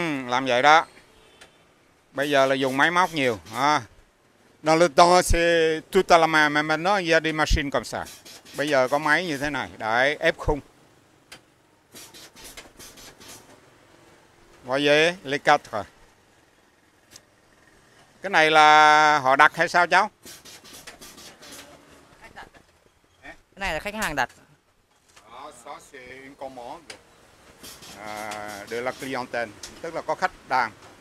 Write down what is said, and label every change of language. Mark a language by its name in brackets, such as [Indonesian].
[Vietnamese] Làm vậy đó. Bây giờ là dùng máy móc nhiều. [French] Dans le temps, c'est tout à la main, mais maintenant, il y a des machines comme ça. [Vietnamese] Bây giờ có máy như thế này, đấy, ép khung. [French] Voyez les quatre. [Vietnamese] Cái này là họ đặt hay sao cháu? Cái này là khách hàng đặt. [French] Ça c'est une commande de la clientèle, [Vietnamese] tức là có khách đàn.